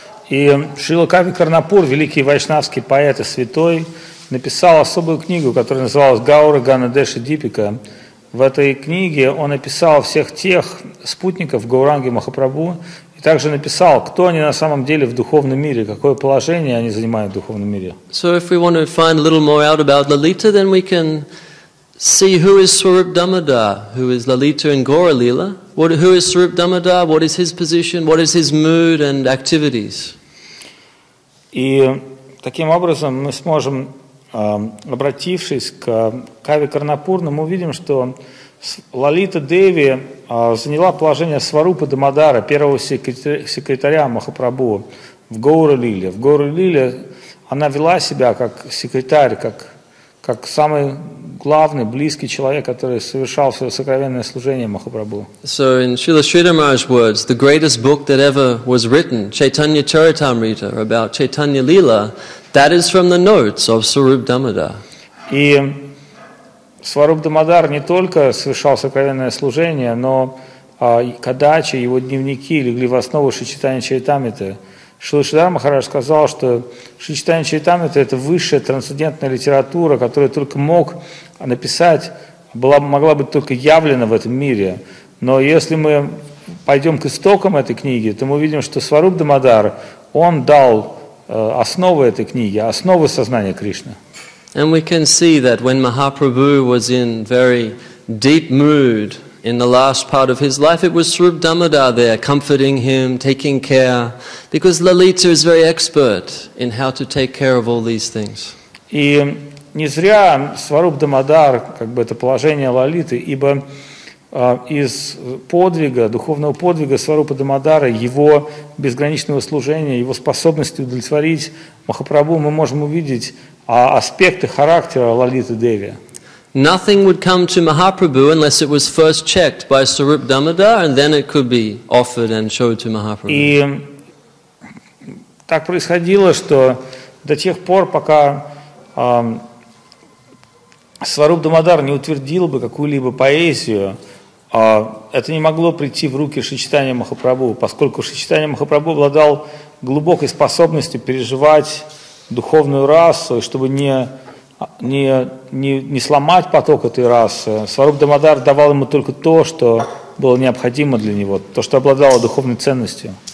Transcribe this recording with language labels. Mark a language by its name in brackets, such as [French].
[Russian] И Шрила Кави Карнапур, великий вайшнавский поэт и святой, написал особую книгу, которая называлась Гаурдханадеша Дипика. В этой книге он описал всех тех спутников Гауранги Махапрабху и также написал, кто они на самом деле в духовном мире, какое положение они занимают в духовном мире. [English] So if we want to find a little more out about Lalita, then we can see who is Swarup Damodar, who is Lalita in Gaura Lila. Who is Swarup Damodar? What is his position? What is his mood and activities? [Russian] И таким образом мы сможем, обратившись к Каве Карнапурну, мы увидим, что Лалита Деви заняла положение Сварупы Дамодара, первого секретаря Махапрабху, в Гаура-лиле. В Гаура-лиле она вела себя как секретарь, как самый главный, близкий человек, который совершал свое сокровенное служение Махапрабху. [English] So in Srila Sridharmaj's words, the greatest book that ever was written, Chaitanya Charitamrita, about Chaitanya Lila, that is from the notes of Swarup Damodar. [Russian] И Сварук Дамодар не только совершал сокровенное служение, но кадачи, его дневники легли в основу Шри Чайтанья Чаритамриты. Шрила Шридхар Махарадж сказал, что Шри Чайтанья Чаритамрита – это высшая трансцендентная литература, которую только мог написать, могла быть только явлена в этом мире. Но если мы пойдем к истокам этой книги, то мы увидим, что Сварук Дамодар, он дал основы этой книги, основы сознания Кришны. [English] And we can see that when Mahaprabhu was in very deep mood in the last part of his life, it was Swarup Damodar there comforting him, taking care, because Lalita is very expert in how to take care of all these things. [Russian] И не зря Сварупа Дамодар, как бы это положение Лалиты, ибо из подвига, духовного подвига Сварупа Дамодара, его безграничного служения, его способности удовлетворить Махапрабху, мы можем увидеть аспекты характера Лалиты Деви. [English] Nothing would come to Mahaprabhu unless it was first checked by Swarup Damodar, and then it could be offered and showed to Mahaprabhu. [Russian] И так происходило, что до тех пор, пока Сваруп Дамодар не утвердил бы какую-либо поэзию, это не могло прийти в руки Шри Чайтанья Махапрабху, поскольку Шри Чайтанья Махапрабху обладал глубокой способностью переживать духовную расу, и чтобы не сломать поток этой расы, Сваруп Дамодар давал ему только то, что было необходимо для него, то, что обладало духовной ценностью.